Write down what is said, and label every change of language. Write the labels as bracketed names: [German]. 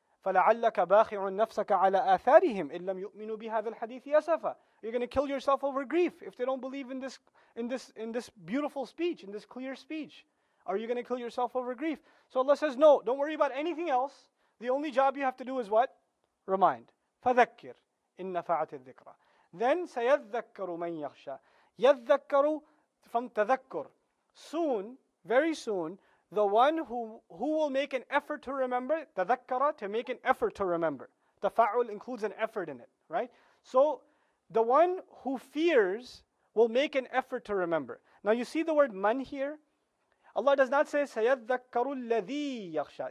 [Arabic] فَلَعَلَّكَ بَاخِعٌ نَفْسَكَ عَلَىٰ آثَارِهِمْ إِن لَّمْ يُؤْمِنُوا بِهَذَا الْحَدِيثِ أَسَفًا. [English] You're going to kill yourself over grief if they don't believe in this beautiful speech, in this clear speech. Are you going to kill yourself over grief? So Allah says, no, don't worry about anything else. The only job you have to do is what? Remind. [Arabic] فَذَكِّرْ إِن نَفَعَتِ الذِّكْرَى. Then, سَيَذَّكَّرُ مَنْ يَخْشَى. يَذَّكَّرُ from تَذَكُّرْ. [English] Soon, very soon, the one who will make an effort to remember, تَذَكَّرَ, to make an effort to remember. تَفَعُل includes an effort in it, right? So, the one who fears will make an effort to remember. Now you see the word man here? Allah does not say [Arabic] سَيَذَّكَّرُ الَّذِي يَخْشَى.